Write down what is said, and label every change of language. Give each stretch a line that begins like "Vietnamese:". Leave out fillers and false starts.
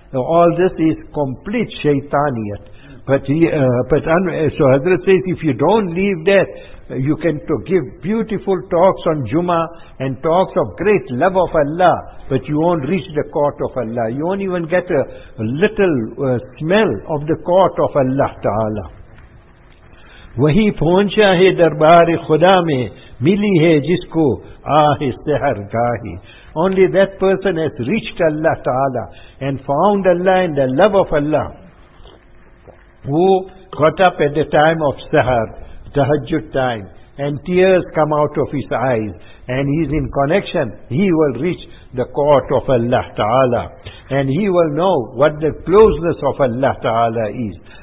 English: All this is complete shaitaniyat. But Hazrat says, if you don't leave that, you can give beautiful talks on Jummah and talks of great love of Allah, but you won't reach the court of Allah. You won't even get a little smell of the court of Allah Ta'ala.
Urdu: وَهِي پہنچا ہے دربارِ خدا میں ملی ہے جس کو آہِ سحر گاہی.
English: Only that person has reached Allah Ta'ala and found Allah and the love of Allah. Who got up at the time of Sahar, Tahajjud time, and tears come out of his eyes, and he is in connection, he will reach the court of Allah Ta'ala, and he will know what the closeness of Allah Ta'ala is.